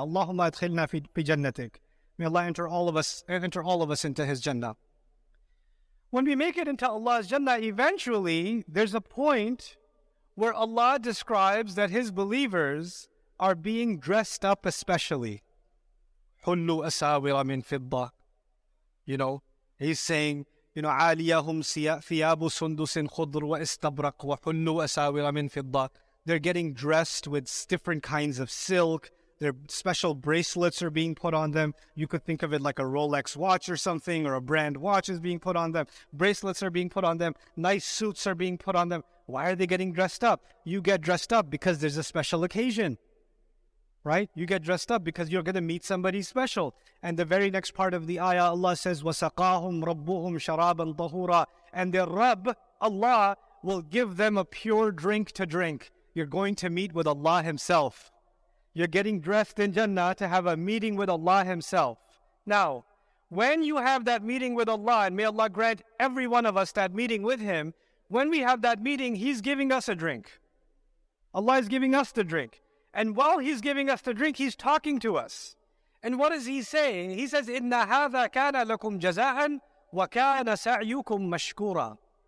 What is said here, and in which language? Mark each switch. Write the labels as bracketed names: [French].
[Arabic] Allahumma adkhilna fi jannatik. [English] May Allah enter all of us into His Jannah. When we make it into Allah's Jannah, eventually, there's a point where Allah describes that His believers are being dressed up especially. [Arabic] Hullu asawira min fidda. [English] You know, He's saying, you know, [Arabic] عَالِيَهُمْ ثِيَابُ سُنْدُسٍ خُضْرُ وَإِسْتَبْرَقُ وَحُلُّوا أَسَاوِرَ مِنْ فِضَّةٍ. [English] They're getting dressed with different kinds of silk. Their special bracelets are being put on them. You could think of it like a Rolex watch or something, or a brand watch is being put on them. Bracelets are being put on them. Nice suits are being put on them. Why are they getting dressed up? You get dressed up because there's a special occasion. Right? You get dressed up because you're going to meet somebody special. And the very next part of the ayah, Allah says, [Arabic] وَسَقَاهُمْ رَبُّهُمْ شَرَابًا طَهُورًا. [English] And their Rabb, Allah, will give them a pure drink to drink. You're going to meet with Allah Himself. You're getting dressed in Jannah to have a meeting with Allah Himself. Now, when you have that meeting with Allah, and may Allah grant every one of us that meeting with Him, when we have that meeting, He's giving us a drink. Allah is giving us the drink. And while He's giving us the drink, He's talking to us. And what is He saying? He says, [Arabic] إِنَّ هَذَا كَانَ لَكُمْ جَزَاءً وَكَانَ سَعْيُكُمْ مَشْكُورًا.